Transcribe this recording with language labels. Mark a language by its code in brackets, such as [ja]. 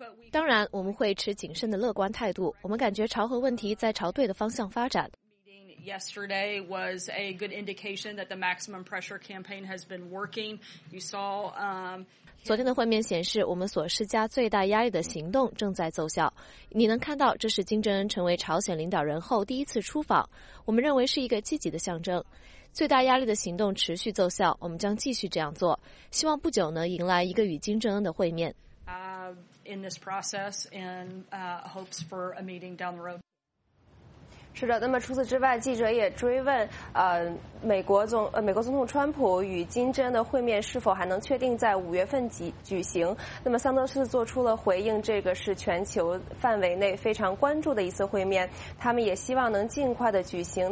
[zh] 当然我们会持谨慎的乐观态度，我们感觉朝核问题在朝对的方向发展。 [en] Yesterday was a good indication that the maximum pressure campaign has been working. You saw, [zh] 昨天的会面显示我们所施加最大压力的行动正在奏效。你能看到这是金正恩成为朝鲜领导人后第一次出访，我们认为是一个积极的象征。最大压力的行动持续奏效，我们将继续这样做，希望不久呢迎来一个与金正恩的会面。 [en] In this process and hopes for a meeting down the road. [zh] 是的，那么除此之外，记者也追问美国总统川普与金正恩的会面是否还能确定在5月份举行。那么桑德斯做出了回应，这个是全球范围内非常关注的一次会面，他们也希望能尽快的举行。